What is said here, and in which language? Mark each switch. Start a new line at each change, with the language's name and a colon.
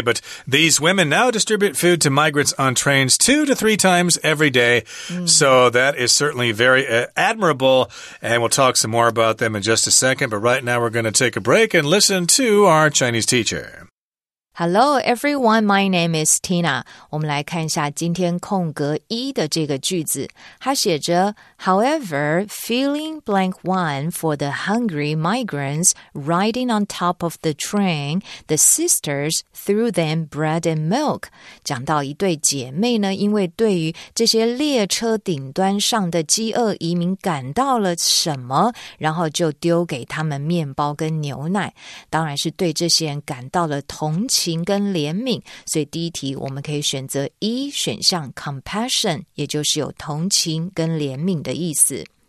English: But these women now distribute food to migrants on trains 2 to 3 times every day. So that is certainly very admirable. And we'll talk some more about them in just a second. But right now we're going to take a break and listen to our Chinese teacher. Hello, everyone. My name is Tina.
Chinese: 我们来看一下今天空格一的这个句子。它写着
English: However, filling blank one for the hungry migrants riding on top of the train, the sisters threw them bread and milk.
Chinese: 讲到一对姐妹呢，因为对于这些列车顶端上的饥饿移民感到了什么，然后就丢给他们面包跟牛奶。当然是对这些人感到了同情。情跟怜悯，所以第一题我们可以选择一选项 compassion， 也就是有同情跟怜悯的意思。